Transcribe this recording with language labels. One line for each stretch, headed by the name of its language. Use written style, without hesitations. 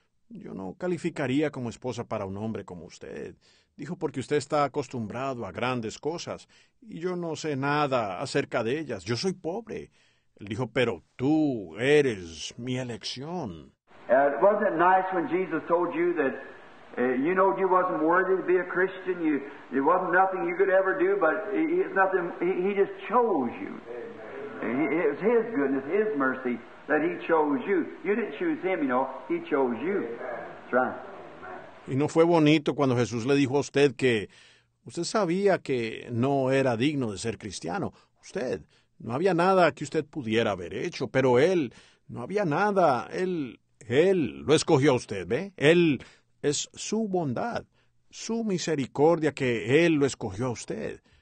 Spanish: Yo no calificaría como esposa para un hombre como usted. Dijo, porque usted está acostumbrado a grandes cosas, y yo no sé nada acerca de ellas. Yo soy pobre. Él dijo, pero tú eres mi elección.
English: Wasn't it nice when Jesus told you that you know you wasn't worthy to be a Christian? It wasn't nothing you could ever do, but it's nothing. He just chose you. It was His goodness, His mercy, that He chose you. You didn't choose Him, you know. He chose you. That's right.
Spanish: ¿Y no fue bonito cuando Jesús le dijo a usted que usted sabía que no era digno de ser cristiano? Usted, no había nada que usted pudiera haber hecho, pero Él, no había nada. Él lo escogió a usted, ¿ve? Él es su bondad, su misericordia que Él lo escogió a usted.